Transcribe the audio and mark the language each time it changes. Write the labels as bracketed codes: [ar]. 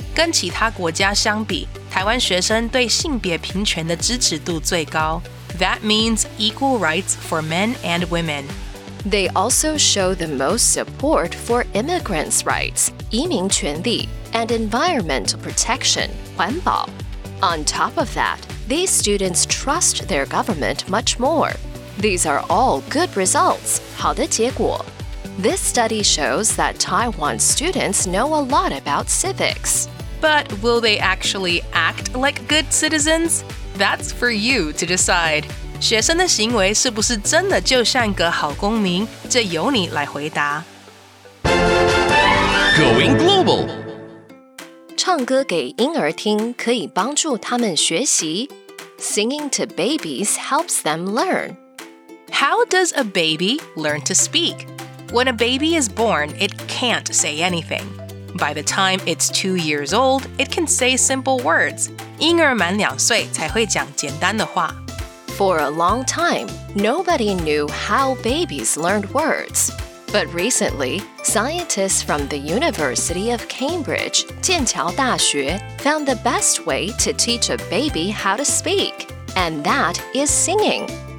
[zh] 跟其他國家相比台灣學生對性別平權的支持度最高。 [en] That means equal rights for men and women. They also show the most support for immigrants' rights, 移民權利, and environmental protection, 環保. On top of that, these students trust their government much more. These are all good results, [zh] 好的結果. [en] This study shows that Taiwan students know a lot about civics. But will they actually act like good citizens? That's for you to decide. [zh] 学生的行为是不是真的就像个好公民？这由你来回答。 [en] Going global. [zh] 唱歌给婴儿听可以帮助他们学习。 [en] Singing to babies helps them learn. How does a baby learn to speak? When a baby is born, it can't say anything. By the time it's 2 years old, it can say simple words. [zh] 婴儿满两岁才会讲简单的话。 [en] For a long time, nobody knew how babies learned words. But recently, scientists from the University of Cambridge, 劍橋大學, found the best way to teach a baby how to speak, and that is singing.